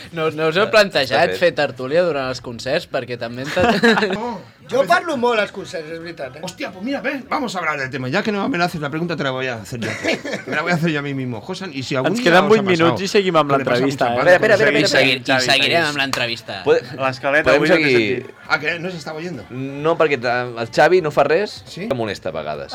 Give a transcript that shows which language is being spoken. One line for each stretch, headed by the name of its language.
Catalan: No us heu plantejat fer tertúlia durant els concerts? Perquè també... Jo parlo molt als concerts, és veritat.
Spanish: Hòstia, pues mira, ven, vamos a hablar del tema. Ya que no me la haces, la pregunta te la voy a hacer yo. Me la voy a hacer yo a mí mismo. Josan, y si algún día
Catalan: ens queden 8 minuts i seguim amb l'entrevista. Espera. I seguirem amb l'entrevista. L'escaleta avui no té sentit.
Spanish: Ah, que no se está oyendo.
Catalan: No, perquè el Xavi no fa res, que molesta a vegades.